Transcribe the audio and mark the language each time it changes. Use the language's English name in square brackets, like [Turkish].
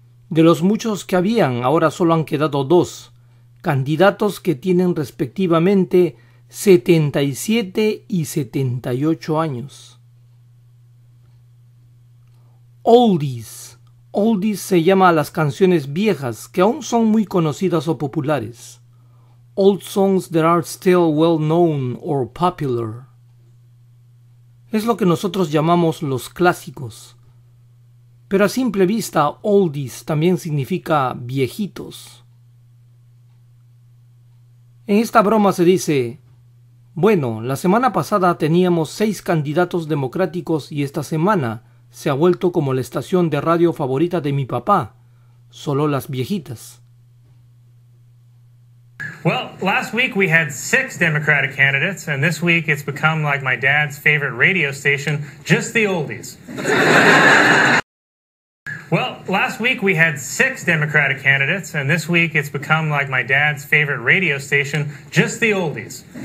[Spanish] De los muchos que habían, ahora solo han quedado dos, candidatos que tienen respectivamente 77 y 78 años. Oldies. Oldies se llama a las canciones viejas que aún son muy conocidas o populares. [English] Old songs that are still well known or popular. [Spanish] Es lo que nosotros llamamos los clásicos. Pero a simple vista, oldies también significa viejitos. En esta broma se dice: bueno, la semana pasada teníamos 6 candidatos democráticos y esta semana se ha vuelto como la estación de radio favorita de mi papá, solo las viejitas. [English] Well, last week we had 6 Democratic candidates, and this week it's become like my dad's favorite radio station, just the oldies. Well, last week we had 6 Democratic candidates, and this week it's become like my dad's favorite radio station, just the oldies.